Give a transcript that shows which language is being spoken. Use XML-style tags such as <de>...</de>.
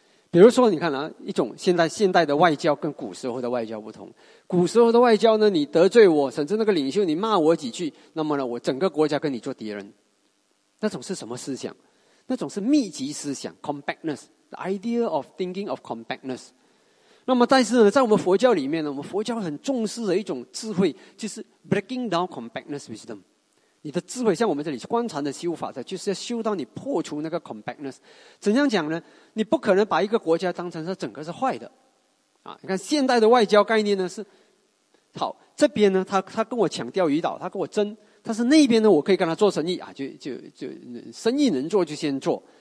<zh>比如说你看啊，一种现代的外交跟古时候的外交不同。古时候的外交呢，你得罪我，甚至那个领袖你骂我几句，那么呢，我整个国家跟你做敌人。那种是什么思想？那种是密集思想 ,compactness。</zh> <en>The idea of thinking of compactness.</en> <zh>那么但是呢，在我们佛教里面呢，我们佛教很重视的一种智慧就是</zh> <en>breaking down compactness wisdom.</en> <zh>你的智慧像我们这里观禅的修法的，就是要修到你破除那个 compactness. 怎样讲呢？你不可能把一个国家当成是整个是坏的。你看现代的外交概念呢，是好，这边呢 他跟我抢钓鱼岛，他跟我争，但是那边呢我可以跟他做生意啊，就生意能做就先做。</zh>